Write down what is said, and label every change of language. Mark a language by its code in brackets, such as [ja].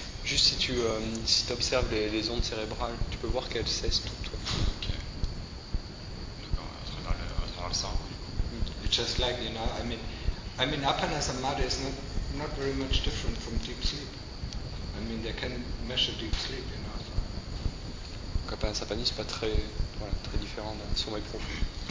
[fr] Juste si tu si observes les ondes cérébrales, tu peux voir qu'elles cessent toutes. Ok. D'accord, à travers le cerveau. [en] It's just like, you know, I mean, Apana Samadhi is not very much different from deep sleep. I mean, they can measure deep sleep, you know. [fr] Donc Apana Samadhi, c'est pas très, voilà, très différent d'un sommeil profond.